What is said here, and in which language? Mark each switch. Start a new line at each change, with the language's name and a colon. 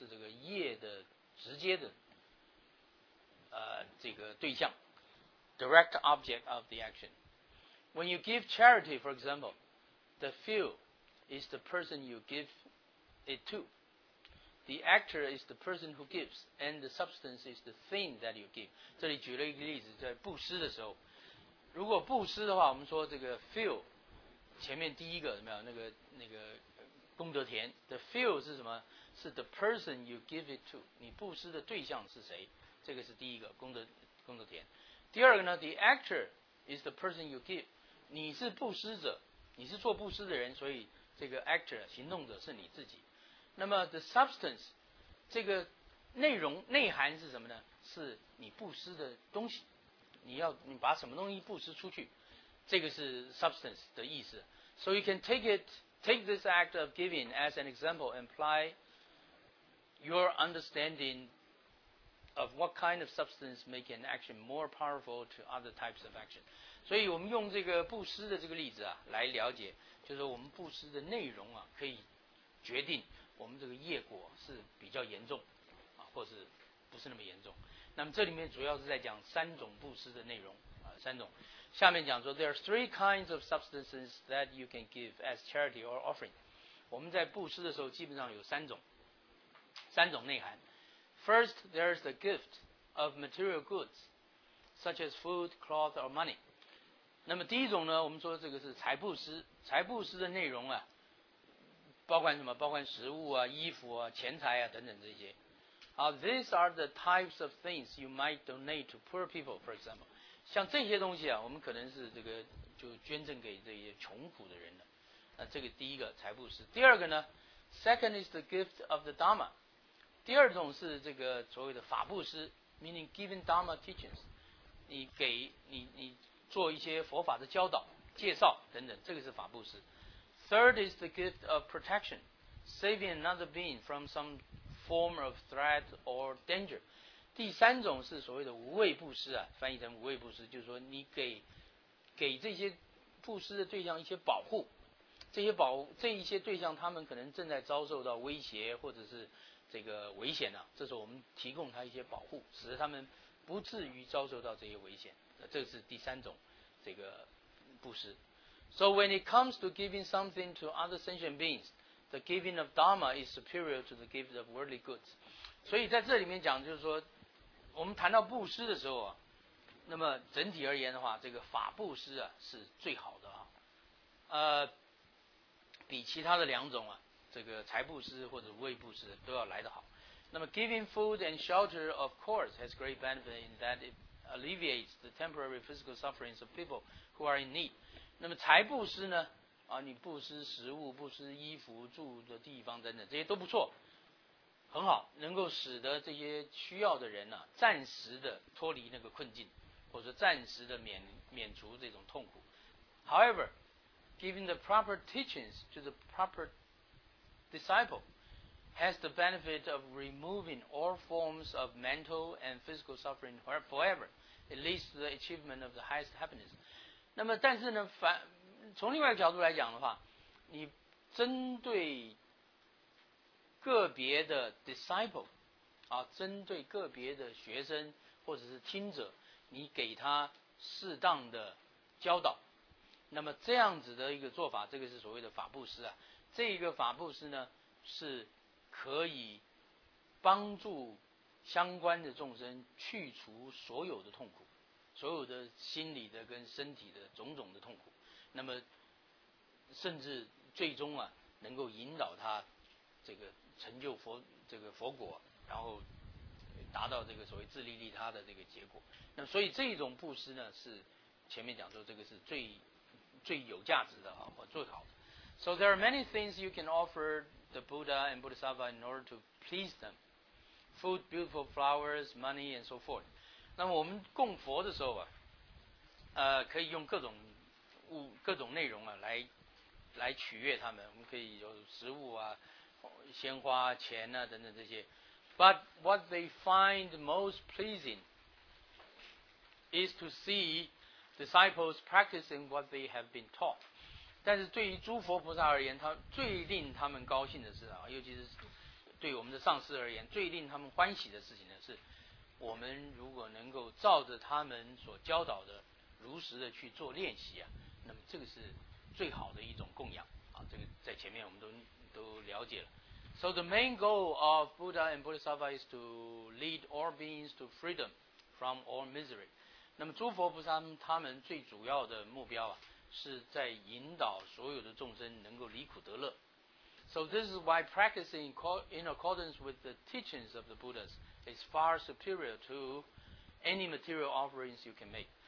Chinese: 是这个业的直接的这个对象 ，
English: direct object of the action。 When you give charity, for example, the field is the person you give it to. The actor is the person who gives, and the substance is the thing that you give.
Chinese: 这里举了一个例子，在布施的时候，如果布施的话，我们说这个 field 前面第一个怎么样？那个功德田 ，the field 是什么？是
English: the person you give it to.
Chinese: 你布施的对象是谁？这个是第一个功德田。第二个呢
English: ？The actor is the person you give.
Chinese: 你是布施者，你是做布施的人，所以这个 actor 行动者是你自己。那么 the substance 这个内容内涵是什么呢？是你布施的东西，你把什么东西布施出去，这个是 substance 的意思。
English: So you can take this act of giving as an example and apply your understanding of what kind of substance make an action more powerful to other types of action。
Chinese: 所以我们用这个布施的这个例子啊，来了解，就是我们布施的内容啊，可以决定我们这个业果是比较严重啊，或是不是那么严重。那么这里面主要是在讲三种布施的内容啊，三种。下面讲说
English: ，there are three kinds of substances that you can give as charity or offering。
Chinese: 我们在布施的时候基本上有三种内涵。
English: First, there is the gift of material goods, such as food, cloth, or money。
Chinese: 那么第一种呢，我们说这个是财布施，财布施的内容啊。包括什么？包括食物啊、衣服啊、钱财啊等等这些。
English: 好 ，these are the types of things you might donate to poor people, for example。
Chinese: 像这些东西啊，我们可能是这个就捐赠给这些穷苦的人的。那这个第一个财布施。第二个呢 ，
English: second is the gift of the Dharma。
Chinese: 第二种是这个所谓的法布施 ，
English: meaning giving Dharma teachings。
Chinese: 你给你做一些佛法的教导、介绍等等，这个是法布施。
English: Third is the gift of protection, saving another being from some form of threat or danger.
Chinese: 第三种是所谓的无畏布施啊，翻译成无畏布施，就是说你给这些布施的对象一些保护，这一些对象他们可能正在遭受到威胁或者是这个危险啊，这时候我们提供他一些保护，使得他们不至于遭受到这些危险。这是第三种这个布施。
English: So when it comes to giving something to other sentient beings, the giving of Dharma is superior to the gift of worldly goods.
Chinese: 所以在这里面讲，就是说，我们谈到布施的时候啊，那么整体而言的话，这个法布施啊是最好的啊，比其他的两种啊，这个财布施或者无畏布施都要来得好。
English: 那么 giving food and shelter, of course, has great benefit in that it alleviates the temporary physical sufferings of people who are in need.
Chinese: 那么财布施呢？啊，你布施食物、布施衣服、住的地方等等，这些都不错，很好，能够使得这些需要的人呢、啊，暂时的脱离那个困境，或者暂时的免除这种痛苦。
English: However, giving the proper teachings to the proper disciple has the benefit of removing all forms of mental and physical suffering forever. It leads to the achievement of the highest happiness.
Chinese: 那么但是呢，从另外一个角度来讲的话，你针对个别的 disciple 啊，针对个别的学生或者是听者，你给他适当的教导，那么这样子的一个做法，这个是所谓的法布施啊。这个法布施呢，是可以帮助相关的众生去除所有的痛苦，所有的心理的跟身体的种种的痛苦，那么甚至最终啊，能够引导他这个成就佛这个佛果，然后达到这个所谓自利利他的这个结果。那么所以这种布施呢，是前面讲说这个是最有价值的啊，或最好的。
English: So there are many things you can offer the Buddha and Bodhisattva in order to please them. Food, beautiful flowers, money, and so forth.
Chinese: 那么我们供佛的时候啊，可以用各种物、各种内容啊来取悦他们。我们可以有食物啊、鲜花、钱啊等等这些。
English: But what they find most pleasing is to see disciples practicing what they have been taught.
Chinese: 但是对于诸佛菩萨而言，他最令他们高兴的是啊，尤其是对我们的上师而言，最令他们欢喜的事情呢，是我们如果能够照着他们所教导的如实的去做练习啊，那么这个是最好的一种供养啊。这个在前面我们都了解了。
English: So the main goal of Buddha and Bodhisattva is to lead all beings to freedom from all misery.
Chinese: 那么诸佛菩萨他们最主要的目标啊，是在引导所有的众生能够离苦得乐。
English: So this is why practicing in accordance with the teachings of the Buddhas is far superior to any material offerings you can make.